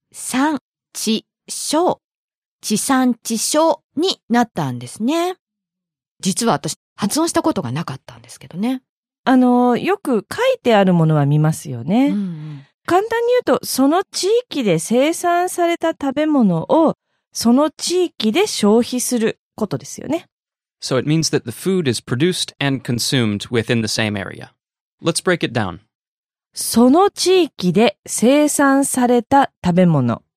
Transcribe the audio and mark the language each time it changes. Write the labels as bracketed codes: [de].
[ja] 産地消、地産地消になったんですね。実は私発音したことがなかったんですけどね。よく書いてあるものは見ますよね、うんうん、簡単に言うとその地域で生産された食べ物をその地域で消費することですよね。 [en] So it means that the food is produced and consumed within the same area. Let's break it down. [ja] その地域で生産された食べ物